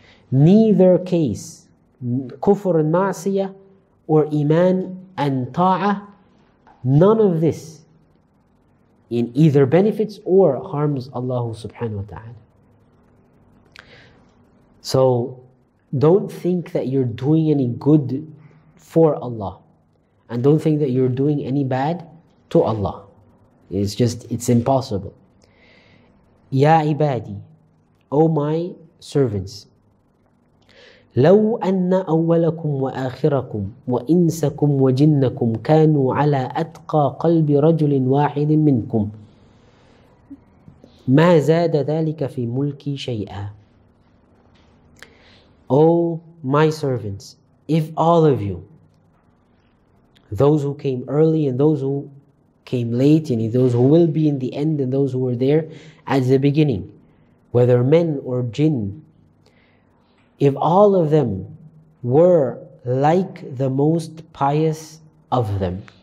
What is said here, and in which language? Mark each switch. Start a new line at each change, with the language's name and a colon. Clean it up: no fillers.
English: Neither case, kufr and ma'asiyah, or iman and ta'ah, none of this in either benefits or harms Allah subhanahu wa ta'ala. So don't think that you're doing any good for Allah, and don't think that you're doing any bad to Allah. It's just, it's impossible.
Arabic: Ya ibadi,
English: O my servants,
Arabic: لو أن أولكم وآخركم وإنسكم وجنكم كانوا على أتقى قلب رجل واحد منكم ما زاد ذلك في ملكي شيئا.
English: O my servants, if all of you, those who came early and those who came late, and those who will be in the end and those who were there at the beginning, whether men or jinn, if all of them were like the most pious of them,